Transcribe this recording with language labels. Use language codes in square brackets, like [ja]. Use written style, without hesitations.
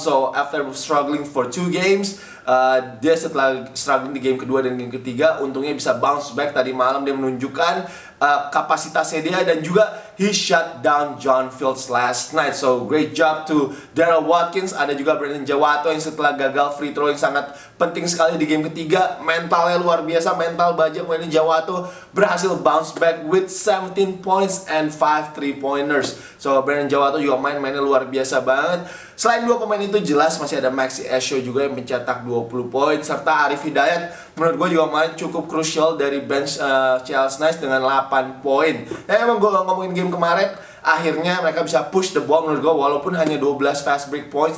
[en] So after struggling for 2 games, [id] dia setelah struggling di game kedua dan game ketiga, untungnya bisa bounce back. Tadi malam dia menunjukkan kapasitasnya dia, dan juga [en] he shut down John Fields last night. So great job to Darryl Watkins. [id] Ada juga Brandon Jawato yang setelah gagal free throw yang sangat penting sekali di game ketiga, mentalnya luar biasa, mental baja. [en] Brandon Jawato [id] berhasil [en] bounce back with 17 points and 5 three-pointers. [id] So Brandon Jawato juga main-mainnya luar biasa banget. Selain dua pemain itu, jelas masih ada Maxi Esho juga yang mencetak 20 poin, serta Arif Hidayat menurut gue juga main cukup krusial dari bench Chelsea Knights dengan 8 poin. Dan emang gue ngomongin game kemarin, akhirnya mereka bisa [en] push the ball [id] menurut gue, walaupun hanya 12 fast break points.